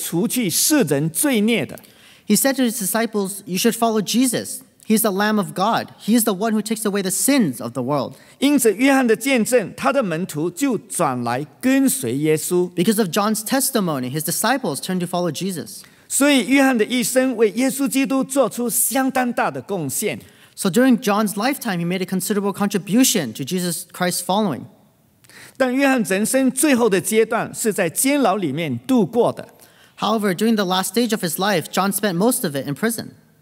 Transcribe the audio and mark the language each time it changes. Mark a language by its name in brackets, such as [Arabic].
[Chinese] 他是神的羔羊,他是那位除去世人罪孽的。 [English] He said to his disciples, You should follow Jesus. He is the Lamb of God. He is the one who takes away the sins of the world. [Chinese] 因着约翰的见证,他的门徒就转来跟随耶稣。 [English] Because of John's testimony, his disciples turned to follow Jesus. [Chinese] 所以约翰的一生为耶稣基督做出相当大的贡献。 [English] So during John's lifetime, he made a considerable contribution to Jesus Christ's following. [Chinese] 但约翰人生最后的阶段是在监牢里面度过的。 [English] However, during the last stage of his life, John spent most of it in prison.